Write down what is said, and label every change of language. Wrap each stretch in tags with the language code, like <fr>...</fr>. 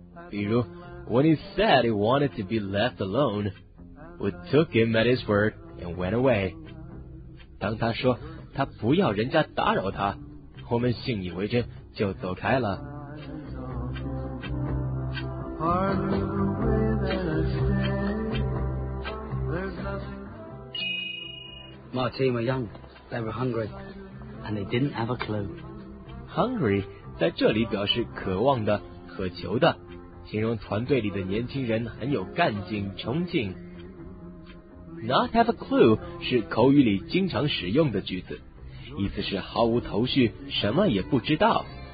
<en>比如 When he said he wanted to be left alone, we took him at his word and went away.</en> <zh>当他说他不要人家打扰他，我们信以为真就走开了。</zh> <en>My team were young, they were hungry, and they didn't have a clue.</en> <zh>Hungry 在这里表示渴望的、渴求的，形容团队里的年轻人很有干劲、冲劲。</zh> <en>Not have a clue</en> <zh>是口语里经常使用的句子。意思是毫无头绪，什么也不知道。</zh>